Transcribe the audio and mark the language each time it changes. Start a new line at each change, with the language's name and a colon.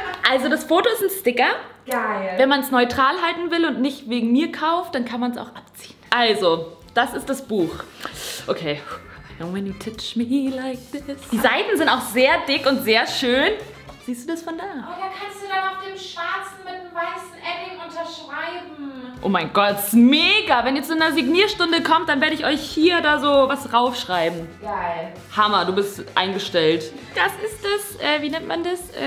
German: Also das Foto ist ein Sticker. Geil. Wenn man es neutral halten will und nicht wegen mir kauft, dann kann man es auch abziehen. Also, das ist das Buch. Okay.
English: I know when you touch me like this.
German: Die Seiten sind auch sehr dick und sehr schön. Siehst du das von da? Oh, da kannst du dann auf dem schwarzen mit dem weißen Edding unterschreiben. Oh mein Gott, ist mega. Wenn ihr zu einer Signierstunde kommt, dann werde ich euch hier da so was raufschreiben. Geil. Hammer, du bist eingestellt. Das ist das, wie nennt man das?